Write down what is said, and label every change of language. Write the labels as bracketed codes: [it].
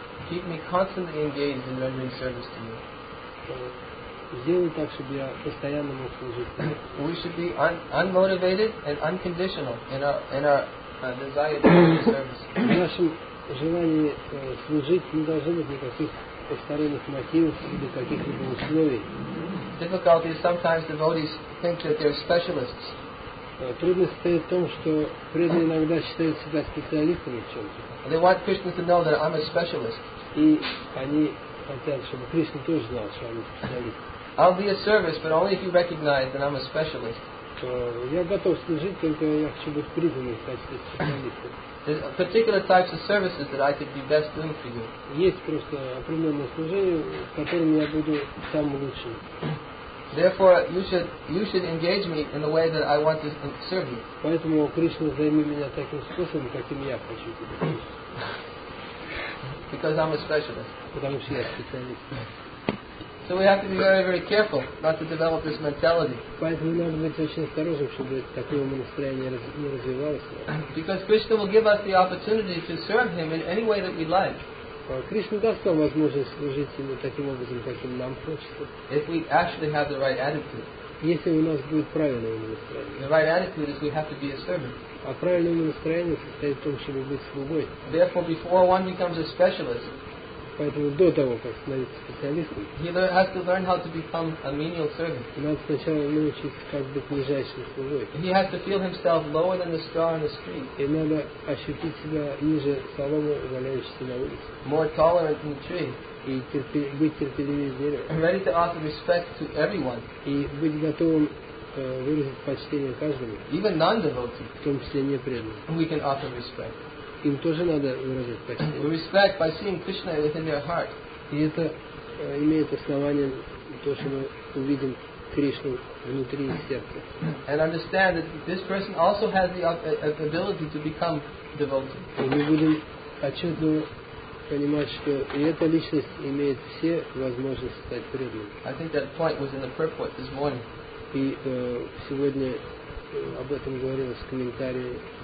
[en] Keep me constantly engaged in rendering service to you. [ru] Сделай так, чтобы я постоянно мог служить. [en] We should be unmotivated and unconditional in our desire to render service. [ru] В нашем желание служить не должно быть никаких повторенных мотивов или каких-либо условий. [en] Difficulty is sometimes devotees think that they're specialists. [ru] Трудность стоит в том, что преданные иногда считают себя специалистами в чем-то. [en] They want Krishna to know that I'm a specialist. [ru] И они хотят, чтобы Кришна тоже знал, что они специалисты. [en] I'll be a service, but only if you recognize that I'm a specialist. [ru] Я готов служить, только я хочу быть призванным в качестве специалиста. [en] There are particular types of services that I could be best doing for you. [ru] Есть просто определенные служения, которыми я буду самым лучшим. [en] Therefore, you should engage me in the way that I want to serve you. [ru] Поэтому Кришна займи меня таким способом, каким я хочу тебя. [en] Because I'm a specialist. [ru] Потому что я специалист. [en] So we have to be very, very careful not to develop this mentality. [ru] Поэтому надо быть очень осторожным, чтобы такое умонастроение не развивалось. [en] Because Krishna will give us the opportunity to serve Him in any way that we like. [ru] Кришна даст нам возможность служить Ему таким образом, каким нам хочется. [en] If we actually have the right attitude. [ru] Если у нас будет правильное умонастроение. [en] The right attitude is we have to be a servant. [ru] А правильное умонастроение состоит в том, чтобы быть слугой. [en] Therefore, before one becomes a specialist. [ru] Поэтому до того, как становиться специалистом, [en] has to learn how to become a menial servant. [ru] Надо сначала научиться, как быть нижайшим слугой. [en] He has to feel himself lower than the straw in the street. [ru] И надо ощутить себя ниже соломы, валяющейся на улице. [en] More tolerant than the tree. [ru] И быть терпеливее дерева. [en] Ready to offer respect to everyone. [ru] И быть готовым выразить почтение каждому. [en] Even non-devotee. [ru] В том числе непреданным. [en] We can offer respect. [ru] Им тоже надо выразить почтение. [en] Respect by seeing Krishna within their heart. [ru] И это имеет основание то, что мы увидим Кришну внутри сердца. [en] And understand that this person also has the ability to become devotee. [ru] И мы будем отчетливо понимать, что и эта личность имеет все возможности стать преданным. [en] I think that point was in the purport this morning. [ru] И сегодня об этом говорилось в комментарии.